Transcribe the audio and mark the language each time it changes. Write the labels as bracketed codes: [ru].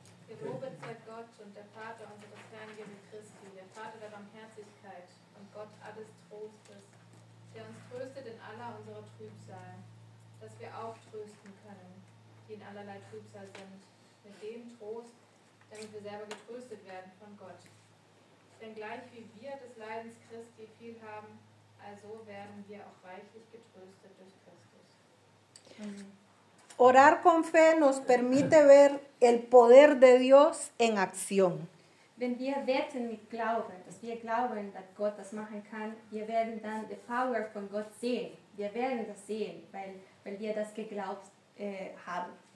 [de] Gelobet sei Gott und der Vater unseres Herrn Jesu Christi, der Vater der Barmherzigkeit und Gott alles Trostes, der uns tröstet in aller unserer Trübsal, dass wir auch trösten können, die in allerlei Trübsal sind, mit dem Trost, damit wir selber getröstet werden von Gott. Denn gleich wie wir des Leidens Christi viel haben, also werden wir auch reichlich getröstet durch Christus. [es] Orar con fe nos permite ver el poder de Dios en acción. [de] Wenn wir beten mit Glauben, dass wir glauben, dass Gott das machen kann, wir werden dann die Power von Gott sehen. Wir werden das sehen, weil wir das geglaubt haben.